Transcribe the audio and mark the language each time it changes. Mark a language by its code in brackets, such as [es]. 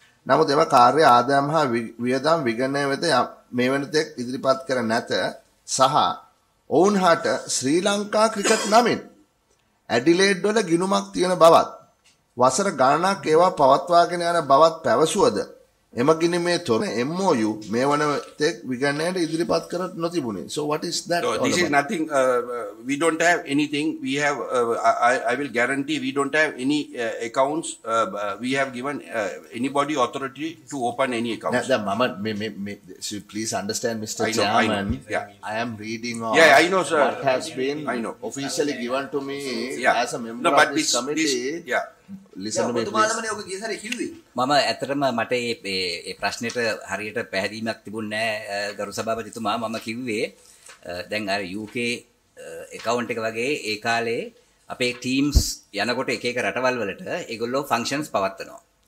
[si] නමුත් එම කාර්ය ආදායම් හා වියදම් විගණනය වෙත මේ වෙනතෙක් ඉදිරිපත් කර නැත සහ ඔවුන් හට ශ්‍රී ලංකා ක්‍රිකට් නමින් ඇඩිලේඩ් වල ගිණුමක් තියෙන බවත් වසර ගණනක් ඒවා පවත්වාගෙන යන බවත් පැවසුවද එම ගිණුමේ තොර MOU මේ වෙනතෙක් විගණනයට ඉදිරිපත් කර නොතිබුනේ. [en] So what is that? This is nothing. We don't have anything. We have I will guarantee we don't have any accounts. We have given anybody authority to open any accounts. Now, Mama, may, please understand, Mr. Chairman. I am reading on. Yeah, I know, sir. What has been officially given to me as a member of this committee. [si] මම ඇත්තටම මට ඒ ප්‍රශ්නෙට හරියට පැහැදීමක් තිබුණ නෑ ගරු සභාපතිතුමා. මම කිව්වේ දැන් අර UK account එක වගේ ඒ කාලේ අපේ ටීම්ස් යනකොට එක එක රටවල් වලට ඒගොල්ලෝ ෆන්ක්ෂන්ස් පවත්වනවා.